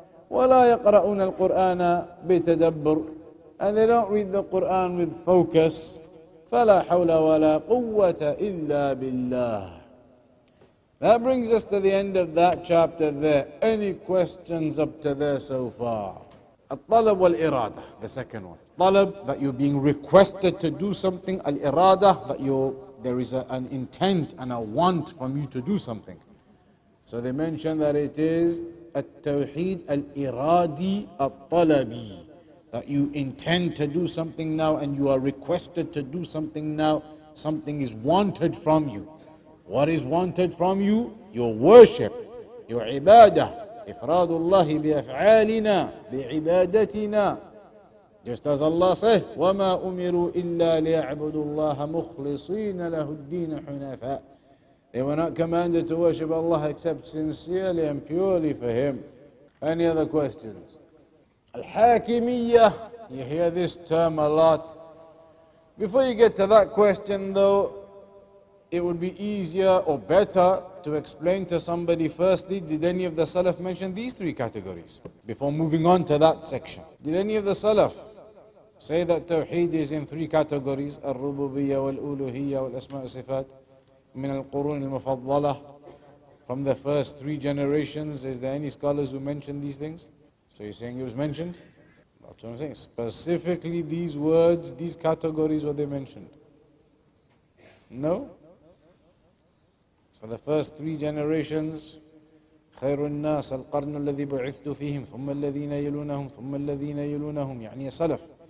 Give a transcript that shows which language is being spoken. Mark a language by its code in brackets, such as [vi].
[ar] وَلَا يَقْرَأُونَ الْقُرْآنَ بِتَدَبُّرُ. [en] And they don't read the Qur'an with focus. [ar] فَلَا حَوْلَ وَلَا قُوَّةَ إِلَّا بِاللَّهِ. [en] That brings us to the end of that chapter there. Any questions up to there so far? [ar] الطلب والإرادة, [en] the second one. طلب, that you're being requested to do something. الإرادة, that there is an intent and a want from you to do something. So they mention that it is [ar] التوحيد الإرادي الطلبي. [en] That you intend to do something now and you are requested to do something now. Something is wanted from you. What is wanted from you? Your worship, your ibadah. [ar] إفرادullah بأفعالنا بعبادتنا. [en] Just as Allah says, [ar] وما أمروا إلا ليعبدوا الله مخلصين له الدين حنفاء. [en] They were not commanded to worship Allah except sincerely and purely for Him. Any other questions? Al-Hakimiyyah, you hear this term a lot. Before you get to that question though, it would be easier or better to explain to somebody firstly, did any of the Salaf mention these three categories before moving on to that section? Did any of the Salaf say that Tawheed is in three categories, Al-Rububiyyah, Wal-Uluhiyyah, Wal-Asma' Sifat, Min Al-Qurun Al-Mufadlalah, from the first three generations? Is there any scholars who mention these things? So you're saying it was mentioned? That's what I'm saying. Specifically these words, these categories, were they mentioned? No? For the first three generations, [ar] خير الناس القرن الذي بعثت فيهم ثم الذين يلونهم ثم الذين يلونهم يعني السلف.